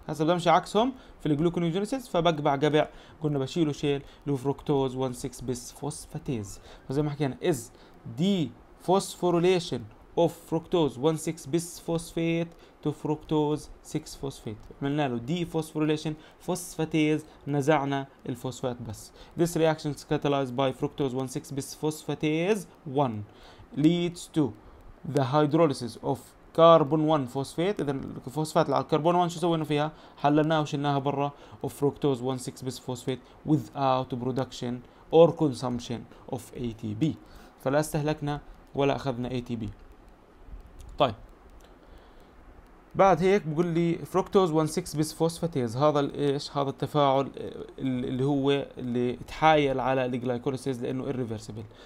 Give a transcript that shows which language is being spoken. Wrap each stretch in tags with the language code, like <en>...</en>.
<ar>هسه بدي امشي عكسهم في الجلوكونيوجينيسيس، فبقبع قبع قلنا بشيله شيل اللي هو فركتوز 1 6 بس فوسفاتيز، فزي ما حكينا</ar> <en>as dephosphorylation of fructose 1 6 بس phosphate to fructose 6 phosphate,</en> <ar>عملنا له دي فوسفوريليشن فوسفاتيز، نزعنا الفوسفات بس.</ar> <en>This reaction is catalyzed by fructose 1 6 bis phosphatase 1 leads to the hydrolysis of</en> <ar>كاربون 1 فوسفيت، اذا الفوسفات الكربون 1 شو سوينا فيها؟ حللناها وشلناها برا، وفروكتوز 1 6 بس فوسفيت</ar> <en>without production or consumption of ATP،</en> <ar>فلا استهلكنا ولا اخذنا ATP. طيب بعد هيك بقول لي فروكتوز 1 6 بس فوسفاتيز، هذا ايش؟ هذا التفاعل اللي هو اللي تحايل على الجلايكوليسيز لانه irreversible.</ar>